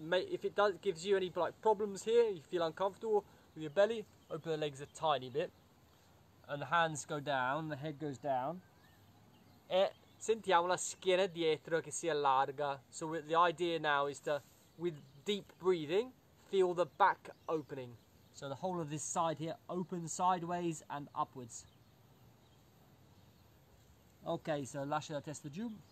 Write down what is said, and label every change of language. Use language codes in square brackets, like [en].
[en] If it does, gives you any like, problems here, you feel uncomfortable with your belly, open the legs a tiny bit. And the hands go down, the head goes down. [it] E sentiamo la schiena dietro che si allarga. [en] So the idea now is to, with deep breathing, feel the back opening. So the whole of this side here opens sideways and upwards. Okay, so [it] lascia la testa giù.